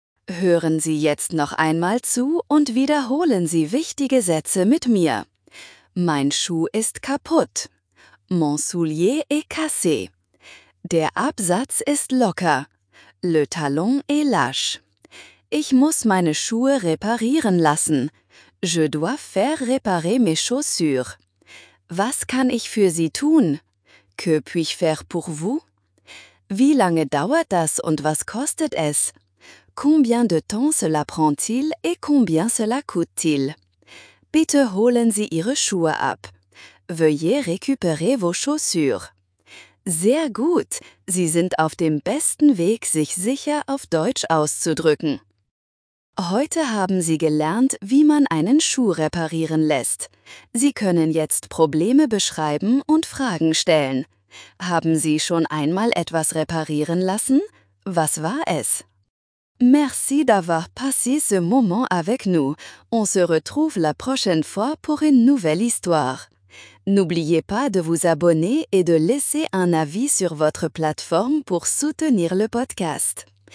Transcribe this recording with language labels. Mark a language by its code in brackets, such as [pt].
[de] Hören Sie jetzt noch einmal zu und wiederholen Sie wichtige Sätze mit mir. Mein Schuh ist kaputt. [fr] Mon soulier est cassé. [de] Der Absatz ist locker. [fr] Le talon est lâche. [de] Ich muss meine Schuhe reparieren lassen. [fr] Je dois faire réparer mes chaussures. [de] Was kann ich für Sie tun? [fr] Que puis-je faire pour vous? [de] Wie lange dauert das und was kostet es? [fr] Combien de temps cela prend-il et combien cela coûte-t-il? [de] Bitte holen Sie Ihre Schuhe ab. [fr] Veuillez récupérer vos chaussures. [de] Sehr gut, Sie sind auf dem besten Weg, sich sicher auf Deutsch auszudrücken. Heute haben Sie gelernt, wie man einen Schuh reparieren lässt. Sie können jetzt Probleme beschreiben und Fragen stellen. Haben Sie schon einmal etwas reparieren lassen? Was war es? [fr] Merci d'avoir passé ce moment avec nous. On se retrouve la prochaine fois pour une nouvelle histoire. N'oubliez pas de vous abonner et de laisser un avis sur votre plateforme pour soutenir le podcast.